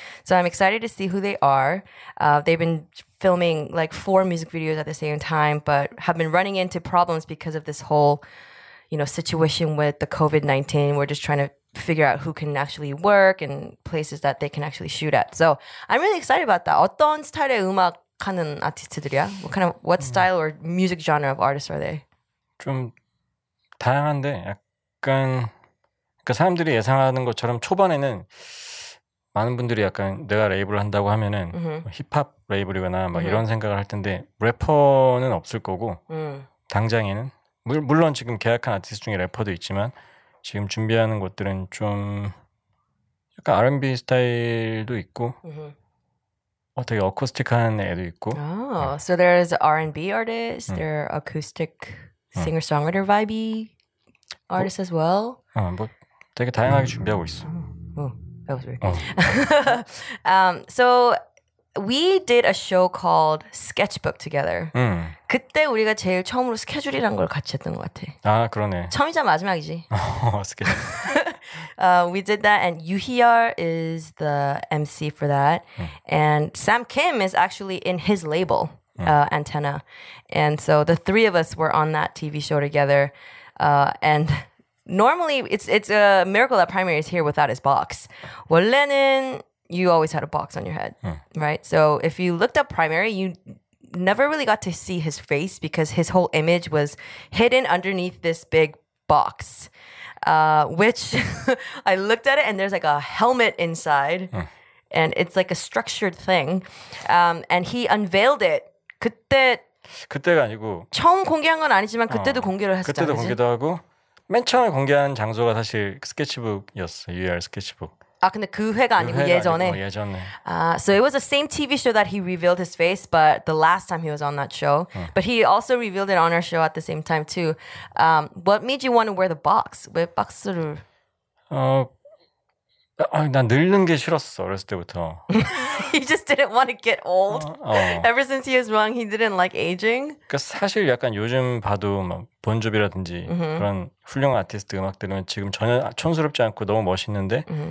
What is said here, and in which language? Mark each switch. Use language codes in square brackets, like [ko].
[en] So I'm excited to see who they are. They've been filming like 4 music videos at the same time, but have been running into problems because of this whole, you know, situation with the COVID-19. We're just trying to figure out who can actually work and places that they can actually shoot at. So I'm really excited about that. [ko] 어떤 스타일의 음악 하는 아티스트들이야? [en] What style or music genre of artists are they? [ko] 좀 다양한데 약간 그러니까 사람들이 예상하는 것처럼 초반에는 많은 분들이 약간 내가 레이블을 한다고 하면은 힙합 레이블이거나 막 이런 생각을 할 텐데 래퍼는 없을 거고 당장에는 물론 지금 계약한 아티스트 중에 래퍼도 있지만 지금 준비하는 것들은 좀 약간 R&B 스타일도 있고 되게 어쿠스틱한 애도 있고 [en] So there's R&B artists, there are acoustic singer-songwriter vibe-y artists 뭐, as well [ko] 뭐 되게 다양하게 준비하고 있어 [en] That was weird. So we did a show called Sketchbook together. [ko] 그때 우리가 제일 처음으로 스케줄이란 걸 같이 했던 것 같아. 아, 그러네. 처음이자 마지막이지. 어, 스케줄. [en] We did that, and Yuhyeol is the MC for that. And Sam Kim is actually in his label, Antenna. And so the three of us were on that TV show together. And normally, it's a miracle that Primary is here without his box. 원래는 you always had a box on your head, right? So if you looked up Primary, you never really got to see his face because his whole image was hidden underneath this big box, which I looked at it and there's like a helmet inside and it's like a structured thing. And he unveiled it. [ko] 그때가 아니고 처음 공개한 건 아니지만 그때도 공개를 했었잖아. 그때도 공개도 하고 맨 처음에 공개한 장소가 사실 스케치북이었어. UR 스케치북. 아, 근데 그 회가 아니고 그 회가 예전에. 아니고, 예전에. [en] So it was the same TV show that he revealed his face, but the last time he was on that show. But he also revealed it on our show at the same time too. What made you want to wear the box? [ko] 왜 박스를? 난 늙는 게 싫었어 어렸을 때부터. [en] He just didn't want to get old. Ever since he was young, he didn't like aging. [ko] 그러니까 사실 약간 요즘 봐도 막 본조비라든지 그런 훌륭한 아티스트 음악 들으면 지금 전혀 촌스럽지 않고 너무 멋있는데.